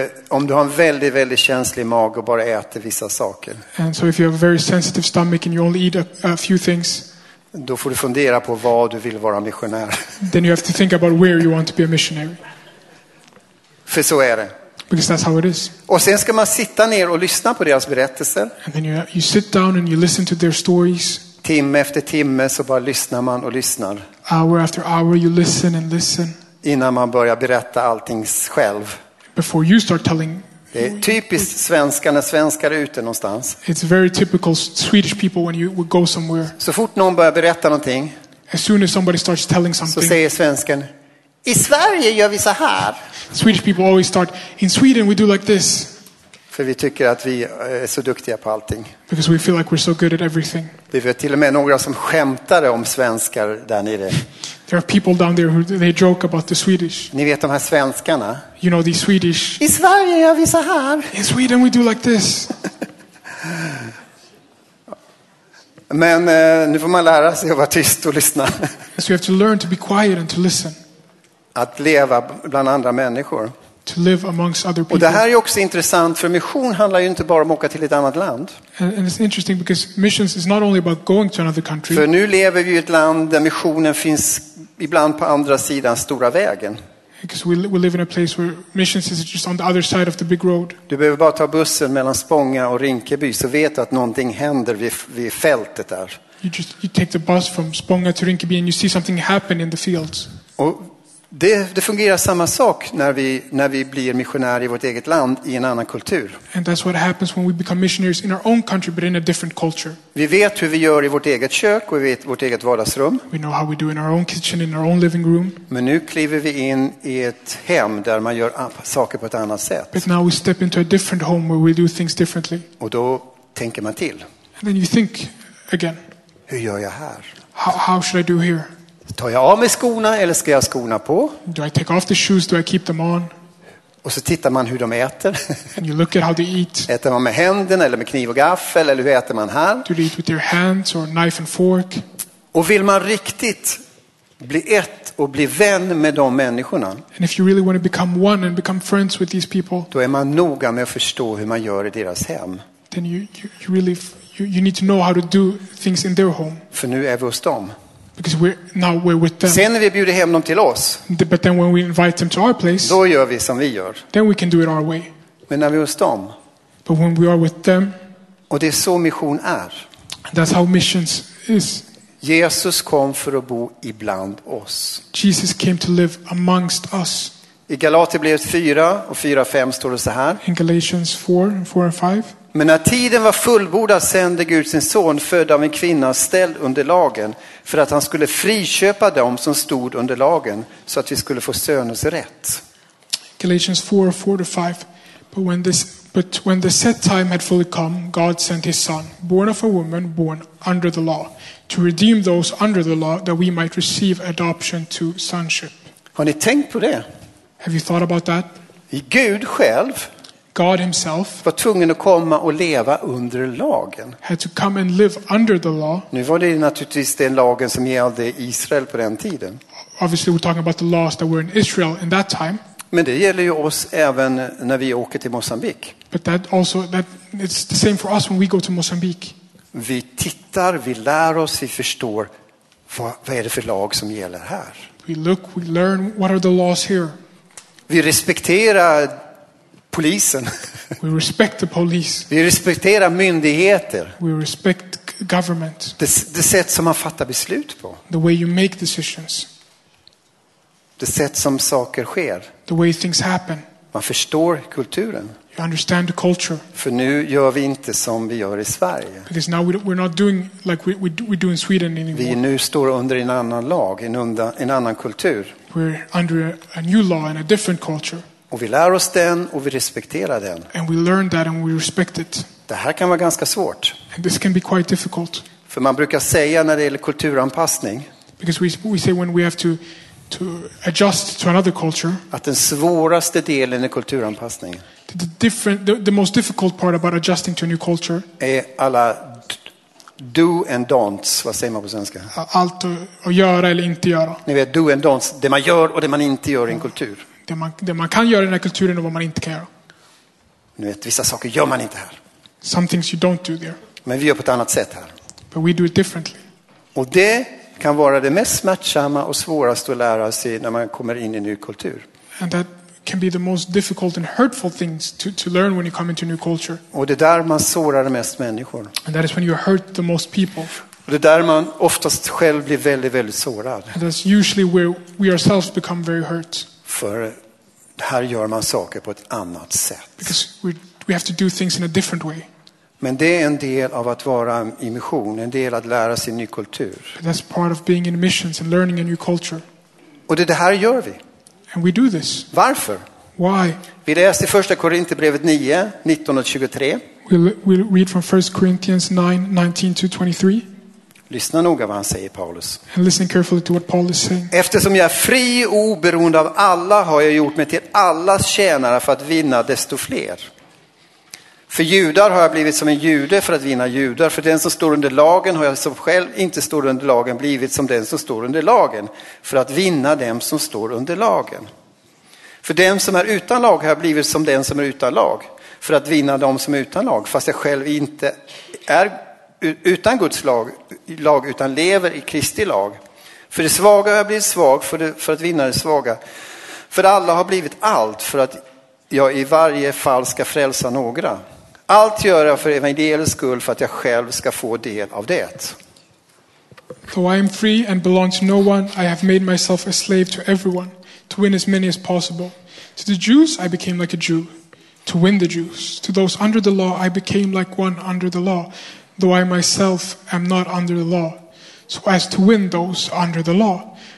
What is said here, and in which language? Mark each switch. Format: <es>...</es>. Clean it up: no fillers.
<sv>Om du har en väldigt väldigt känslig mag och bara äter vissa saker.</sv> <en>And so if you have a very sensitive stomach and you only eat a few things.</en> <sv>Då får du fundera på vad du vill vara missionär.</sv> <en>Then you have to think about where you want to be a missionary.</en> <sv>För så är det.</sv> <en>Because that's how it is.</en> <sv>Och sen ska man sitta ner och lyssna på deras berättelser.</sv> <en>And then you sit down and you listen to their stories.</en> <sv>Timme efter timme så bara lyssnar man och lyssnar.</sv> <en>Hour after hour you listen and listen.</en> <sv>Innan man börjar berätta allting själv.</sv> <en>Before you start telling.</en> <sv>Det är typiskt svenskar när svenskar är ute någonstans.</sv> <en>It's very typical Swedish people when you would go somewhere.</en> <sv>Så fort någon börjar berätta någonting.</sv> <en>As soon as somebody starts telling something.</en> <sv>Så säger svensken. I Sverige gör vi så här.</sv> <en>Swedish people always start, in Sweden we do like this.</en> <sv>För vi tycker att vi är så duktiga på allting.</sv> <en>Because we feel like we're so good at everything.</en> <sv>Det är till och med några som skämtar om svenskar där nere.</sv> <en>There are people down there who they joke about the Swedish.</en> <sv>Ni vet de här svenskarna.</sv> <en>You know the Swedish.</en> <sv>I Sverige gör vi så här.</sv> <en>In Sweden we do like this.</en> <sv>Men nu får man lära sig att vara tyst och lyssna.</sv> <en>So you have to learn to be quiet and to listen.</en> <sv>Att leva bland andra människor.</sv> <en>To live amongst other people.</en> <sv>Och det här är också intressant, för mission handlar ju inte bara om att åka till ett annat land.</sv> <en>And it's interesting because missions is not only about going to another country.</en> <sv>För nu lever vi i ett land där missionen finns ibland på andra sidan stora vägen.</sv> <en>Because we live in a place where missions is just on the other side of the big road.</en> <sv>Du behöver bara ta bussen mellan Spånga och Rinkeby så vet du att någonting händer vid fältet där.</sv> <en>You take the bus from Spånga to Rinkeby and you see something happen in the fields.</en> <sv>Och det fungerar samma sak när vi blir missionärer i vårt eget land i en annan kultur.</sv> <en>And that's what happens when we become missionaries in our own country but in a different culture.</en> <sv>Vi vet hur vi gör i vårt eget kök och i vårt eget vardagsrum.</sv> <en>We know how we do in our own kitchen in our own living room.</en> <sv>Men nu kliver vi in i ett hem där man gör saker på ett annat sätt.</sv> <en>But now we step into a different home where we do things differently.</en> <sv>Och då tänker man till.</sv> <en>And then you think again.</en> <sv>Hur gör jag här?</sv> <en>How should I do here?</en> <sv>Tar jag av mig skorna eller ska jag skorna på?</sv> <en>Do I take off the shoes? Do I keep them on?</en> <sv>Och så tittar man hur de äter.</sv> <en>And you look at how they eat.</en> <sv>Äter man med händerna eller med kniv och gaffel eller hur äter man här?</sv> <en>Do they eat with their hands or knife and fork?</en> <sv>Och vill man riktigt bli ett och bli vän med de människorna?</sv> <en>And if you really want to become one and become friends with these people?</en> <sv>Då är man noga med att förstå hur man gör i deras hem.</sv> <en>Then you really you need to know how to do things in their home.</en> <sv>För nu är vi hos dem.</sv> <en>Because we're now we're with them.</en> <sv>Sen när vi bjuder hem dem till oss.</sv> <en>But then when we invite them to our place.</en> <sv>Då gör vi som vi gör.</sv> <en>Then we can do it our way.</en> <sv>Men när vi är hos dem.</sv> <en>But when we are with them.</en> <sv>Och det är så mission är.</sv> <en>That's how missions is.</en> <sv>Jesus kom för att bo ibland oss.</sv> <en>Jesus came to live amongst us.</en> <sv>I Galaterbrevet 4 och 4:5 står det så här.</sv> <en>In Galatians 4:4-5.</en> <sv>Men när tiden var fullbordad sände Gud sin son född av en kvinna ställd under lagen för att han skulle friköpa dem som stod under lagen så att vi skulle få söners rätt.</sv> <en>Galatians 4:4-5. But when the set time had fully come, God sent his son, born of a woman, born under the law, to redeem those under the law that we might receive adoption to sonship.</en> <sv>Har ni tänkt på det?</sv> <en>Have you thought about that?</en> <sv>Gud själv.</sv> <en>God himself</en> <sv>var tvungen att komma och leva under lagen.</sv> <en>Had to come and live under the law.</en> <sv>Nu var det naturligtvis den lagen som gällde Israel på den tiden.</sv> <en>Obviously we're talking about the laws that were in Israel in that time.</en> <sv>Men det gäller ju oss även när vi åker till Mozambique.</sv> <en>But that also that it's the same for us when we go to Mozambique.</en> <sv>Vi tittar, vi lär oss, vi förstår vad är det för lag som gäller här.</sv> <en>We look, we learn what are the laws here.</en> <sv>Vi respekterar polisen.</sv> <en>We respect the police.</en> <sv>Vi respekterar myndigheter.</sv> <en>We respect government.</en> <sv>Det sätt som man fattar beslut på.</sv> <en>The way you make decisions.</en> <sv>Det sätt som saker sker.</sv> <en>The way things happen.</en> <sv>Man förstår kulturen.</sv> <en>You understand the culture.</en> <sv>För nu gör vi inte som vi gör i Sverige.</sv> <en>Because now we're not doing like we do in Sweden anymore.</en> <sv>Vi nu står under en annan lag, en annan kultur.</sv> <en>We're under a new law and a different culture.</en> <sv>Och vi lär oss den och vi respekterar den.</sv> <en>And we learn that and we respect it.</en> <sv>Det här kan vara ganska svårt.</sv> <en>And this can be quite difficult.</en> <sv>För man brukar säga när det gäller kulturanpassning.</sv> <en>Because we say when we have to adjust to another culture.</en> <sv>Att den svåraste delen i kulturanpassningen.</sv> <en>The most difficult part about adjusting to a new culture.</en> <sv>Är alla</sv> <en>do and don'ts.</en> <sv>Vad säger man på svenska? Allt att göra eller inte göra. Ni vet,</sv> <en>do and don'ts.</en> <sv>Det man gör och det man inte gör i en kultur. Det man kan göra i den här kulturen och vad man inte kan göra. Nu vet, vissa saker gör man inte här.</sv> <en>Some things you don't do there.</en> <sv>Men vi gör på ett annat sätt här.</sv> <en>But we do it differently.</en> <sv>Och det kan vara det mest smärtsamma och svåraste att lära sig när man kommer in i en ny kultur.</sv> <en>And that can be the most difficult and hurtful things to learn when you come into a new culture.</en> <sv>Och det är där man sårar mest människor.</sv> <en>And that is when you hurt the most people.</en> <sv>Och det är där man oftast själv blir väldigt, väldigt sårad.</sv> <en>And that's usually where we ourselves become very hurt.</en> <sv>För här gör man saker på ett annat sätt.</sv> <en>Because we have to do things in a different way.</en> <sv>Men det är en del av att vara i mission, en del att lära sig en ny kultur.</sv> <en>But that's part of being in missions and learning a new culture.</en> <sv>Och det här gör vi.</sv> <en>And we do this.</en> <sv>Varför?</sv> <en>Why?</en> <sv>Vi läser i första Korinthierbrevet 9, 19 och 23.</sv> <en>We'll read from 1 Corinthians 9, 19 to 23.</en> <sv>Lyssna noga vad han säger, Paulus.</sv> <en>And listen carefully to what Paul is saying.</en> <sv>Eftersom jag är fri och oberoende av alla har jag gjort mig till allas tjänare för att vinna desto fler. För judar har jag blivit som en jude för att vinna judar. För den som står under lagen har jag som själv inte står under lagen blivit som den som står under lagen. För att vinna dem som står under lagen. För den som är utan lag har jag blivit som den som är utan lag. För att vinna dem som är utan lag. Fast jag själv inte är utan Guds lag utan lever i Kristi lag. För det svaga har jag blivit svag för att vinna det svaga. För alla har blivit allt för att jag i varje fall ska frälsa några. Allt gör jag för evangeliets skull för att jag själv ska få del av det.</sv> <en>So I am free and belong to no one. I have made myself a slave to everyone to win as many as possible. To the Jews I became like a Jew to win the Jews. To those under the law I became like one under the law, though I myself am not under the law, so as to win those under the law.</en>